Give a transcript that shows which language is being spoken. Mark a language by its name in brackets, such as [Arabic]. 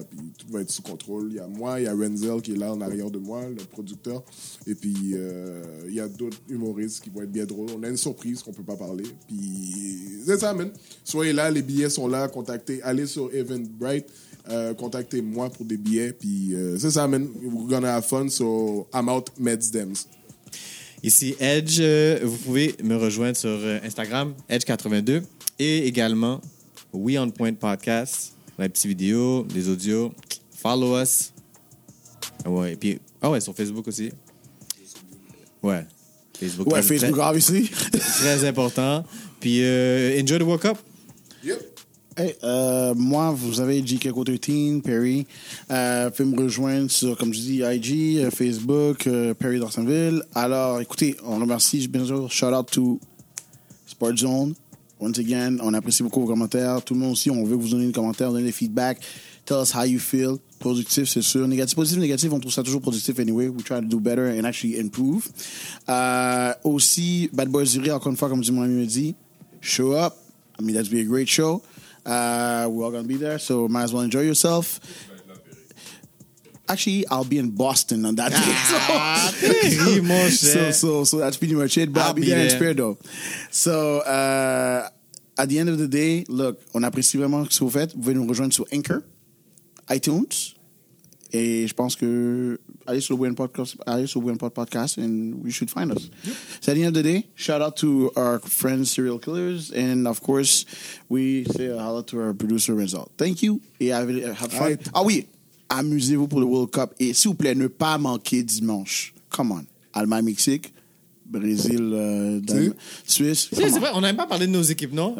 [French] Puis tout va être sous contrôle. Il y a moi, il y a Renzel qui est là en arrière de moi, le producteur. Et puis, il y a d'autres humoristes qui vont être bien drôles. On a une surprise qu'on ne peut pas parler. Puis, c'est ça, man. Soyez là, les billets sont là. Allez sur Eventbrite, contactez-moi pour des billets. Puis, c'est ça, man. [English] We're gonna have fun, so I'm out, Meds Dems. [French] Ici Edge, vous pouvez me rejoindre sur Instagram, Edge82, et également We On Point Podcast, la petite vidéo, les audios. [English] Follow us. [French] Ouais, et puis, sur Facebook aussi. Ouais, Facebook. Ouais, Facebook, obviously. Très important. Puis, [English] enjoy the World Cup. Yep. [French] Hey, moi, vous avez JK Couture Teen, Perry. Vous pouvez me rejoindre sur, comme je dis, IG, Facebook, Perry d'Orsonville. Alors, écoutez, on remercie, bien sûr, [English] shout out to Sport Zone. Once again, [French] on apprécie beaucoup vos commentaires. Tout le monde aussi, on veut que vous donnez des commentaires, donner des feedbacks. [English] Tell us how you feel. [French] productif, c'est sûr. Négatif, positif, négatif, on trouve ça toujours productif anyway. [English] We try to do better and actually improve. [French] Aussi, Bad Boy Zuri, encore une fois, comme mon ami me dit, [English] show up. I mean, that'd be a great show. We're all going to be there, so might as well enjoy yourself. Actually, I'll be in Boston on that day. So that's pretty much it. But I'll be there in spirit, though. So, at the end of the day, look, [French] on apprécie vraiment ce que vous faites. Vous pouvez nous rejoindre sur Anchor, iTunes, et je pense que allez sur Win Podcast, allez sur Win Pod Podcast, [English] and we should find us. Yep. So at the end of the day, shout out to our friends Serial Killers, and of course, we say hello to our producer Renzo. Thank you, et have fun. Right. [French] Ah oui, amusez-vous pour le World Cup, et s'il vous plaît, ne pas manquer dimanche. [English] Come on, [French] Allemagne, Mexique. Brésil, Suisse. C'est vrai, on n'avait pas parlé de nos équipes, non?